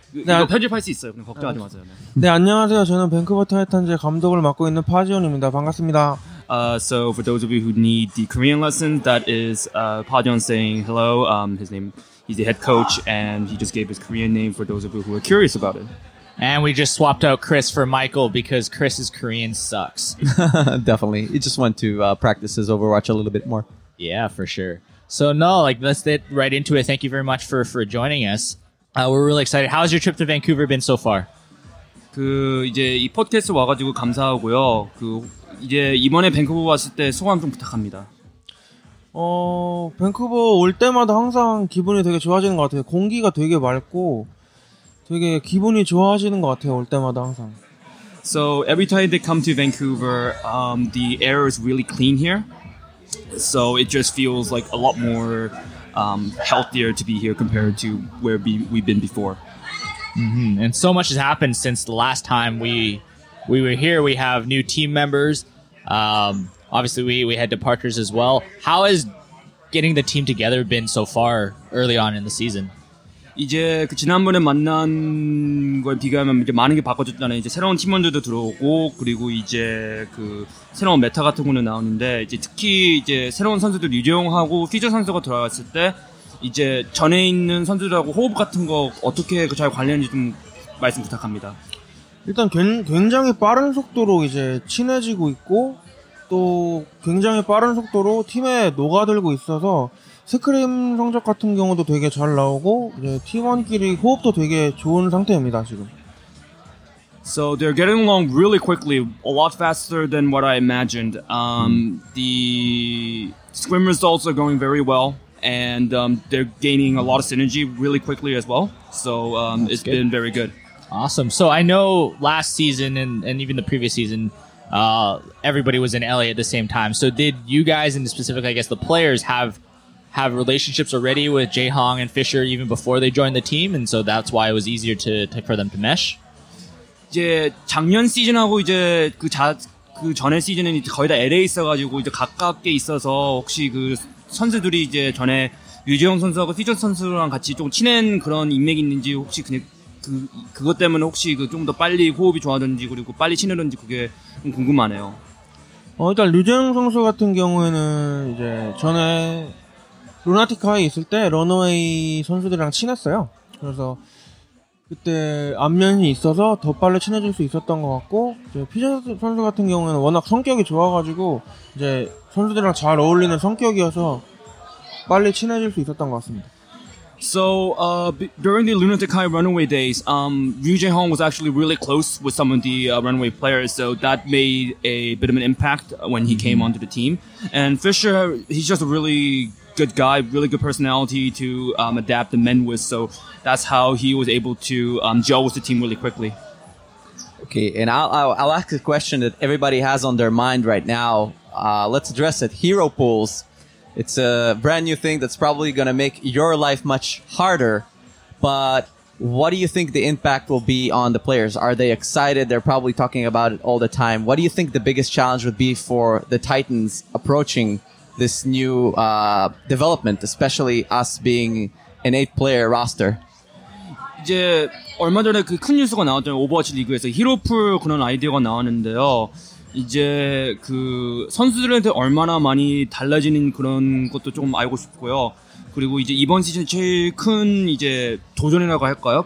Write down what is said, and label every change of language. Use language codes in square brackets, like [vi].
[ko] 네, 이거 편집할 수 있어요. 그냥 걱정하지 마세요. 네. 네, 안녕하세요. 저는 밴쿠버 타이탄즈의 감독을 맡고 있는 파지온입니다. 반갑습니다. [en] So for those of you who need the Korean lesson, that is Pajon saying hello. His name, he's the head coach, and he just gave his Korean name for those of you who are curious about it. And we just swapped out Chris for Michael because Chris's Korean sucks. Definitely. He just went to practice his Overwatch a little bit more. Yeah, for sure. So no, like let's get right into it. Thank you very much for joining us. We're really excited. How's your trip to Vancouver been so far? [ko] 그 이제 이 팟캐스트 와가지고 감사하고요. 그 이제 이번에 밴쿠버 왔을 때 소감 좀 부탁합니다. 밴쿠버 올 때마다 항상 기분이 되게 좋아지는 것 같아요. 공기가 되게 맑고 되게 기분이 좋아지는 것 같아요. 올 때마다 항상. [en] So every time they come to Vancouver, the air is really clean here. So it just feels like a lot more healthier to be here compared to where we've been before. Mm-hmm. And so much has happened since the last time we were here. We have new team members. Obviously, we had departures as well. How has getting the team together been so far early on in the season? [ko] 이제 그 지난번에 만난 거에 비교하면 이제 많은 게 바꿔졌잖아요. 이제 새로운 팀원들도 들어오고 그리고 이제 그 새로운 메타 같은 거는 나오는데 이제 특히 이제 새로운 선수들 유재용하고 피저 선수가 돌아왔을 때 이제 전에 있는 선수들하고 호흡 같은 거 어떻게 그 잘 관리하는지 좀 말씀 부탁합니다. 일단 굉장히 빠른 속도로 이제 친해지고 있고 또 굉장히 빠른 속도로 팀에 녹아들고 있어서 스크림 성적 같은 경우도 되게 잘 나오고 이제 팀원끼리 호흡도 되게 좋은 상태입니다 지금. [en] So they're getting along really quickly, a lot faster than what I imagined. The scrim results are going very well, and they're gaining a lot of synergy really quickly as well. So it's good. Been very good. Awesome. So I know last season and even the previous season. Everybody was in LA at the same time. So did you guys, and specifically, I guess, the players have relationships already with Jae Hong and Fisher even before they joined the team? And so that's why it was easier to for them to mesh? [ko] 이제 작년 시즌하고 이제 그 전에 시즌은 거의 다 LA 있어가지고 이제 가깝게 있어서 혹시 그 선수들이 이제 전에 유재용 선수하고 피저 선수랑 같이 좀 친한 그런 인맥이 있는지 혹시 그냥 그것 때문에 혹시 그 좀 더 빨리 호흡이 좋아졌는지 그리고 빨리 친해졌는지 그게 좀 궁금하네요. 일단 류재영 선수 같은 경우에는 이제 전에 루나티카에 있을 때 러너웨이 선수들이랑 친했어요. 그래서 그때 안면이 있어서 더 빨리 친해질 수 있었던 것 같고 이제 피자 선수 같은 경우에는 워낙 성격이 좋아가지고 이제 선수들이랑 잘 어울리는 성격이어서 빨리 친해질 수 있었던 것 같습니다. [en] So during the Lunatic High Runaway days, Ryu Jae-hong was actually really close with some of the Runaway players, so that made a bit of an impact when he came onto the team. And Fisher, he's just a really good guy, really good personality to adapt and mend with, so that's how he was able to gel with the team really quickly. Okay, and I'll ask a question that everybody has on their mind right now. Let's address it. Hero pools. It's a brand new thing that's probably going to make your life much harder. But what do you think the impact will be on the players? Are they excited? They're probably talking about it all the time. What do you think the biggest challenge would be for the Titans approaching this new development, especially us being an 8-player roster? [ko] 이제 얼마 전에 그 큰 뉴스가 나왔던 오버워치 리그에서 히로풀 그런 아이디어가 나왔는데요. 이제 그 선수들한테 얼마나 많이 달라지는 그런 것도 조금 알고 싶고요. 그리고 이제 이번 시즌 제일 큰 이제 도전이라고 할까요?